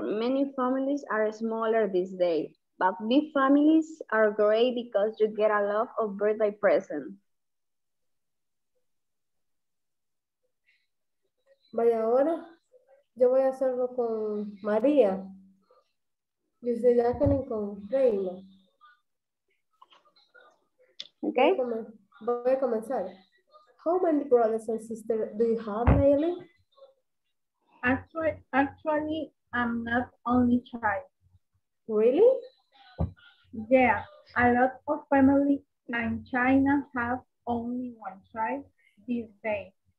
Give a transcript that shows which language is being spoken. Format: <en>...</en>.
<en>Many families are smaller this day, but big families are great because you get a lot of birthday presents.</en> <es>Vaya, ahora yo voy a hacerlo con María. Y ustedes ya tienen con Reina.</es> <en>Okay.</en> <es>Voy a comenzar.</es> <en>How many brothers and sisters do you have, Maylee? Actually, I'm not only child. Really? Yeah. A lot of family in China have only one child these days.</en>